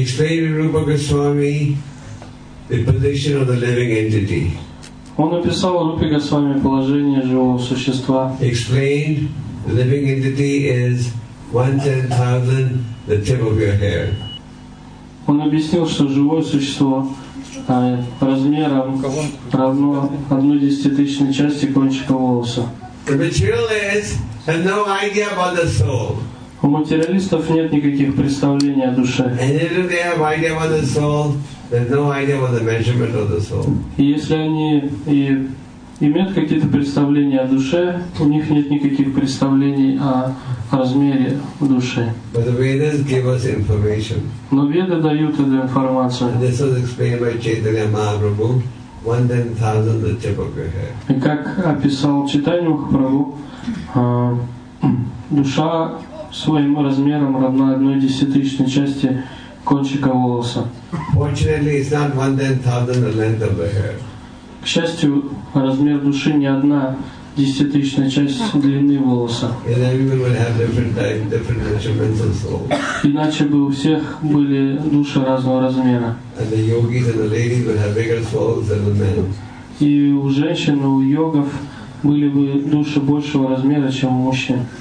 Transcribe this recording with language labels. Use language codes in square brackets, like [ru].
[en] He explained to Rupa Goswami the position of the living entity. [ru] Он описал Рупе Госвами положение живого существа. [en] Explained, the living entity is 1/10,000 the tip of your hair. [ru] Он объяснил, что живое существо размером равно 1/10,000 части кончика волоса. [en] The materialists have no idea about the soul. [ru] У материалистов нет никаких представлений о душе. [en] And if they have idea about the soul, there's no idea about the measurement of the soul. [ru] И если они и имеют какие-то представления о душе, у них нет никаких представлений о размере души. [en] But the Vedas give us information. [ru] Но Веды дают эту информацию. [en] And this was explained by Chaitanya Mahaprabhu, 1/10,000 the tip of your hair. [ru] И как описал Чайтанья Махапрабху, душа своим размером равна 1/10,000 части кончика волоса. [en] Fortunately, it's not 1/10,000 the length of the hair. [ru] К счастью, размер души не 1/10,000 часть длины волоса. [en] And everyone would have different measurements of soul. [ru] Иначе бы у всех были души разного размера. [en] And the yogis and the ladies would have bigger souls than the men. [ru] И у женщин, у йогов были бы души большего размера, чем у мужчин.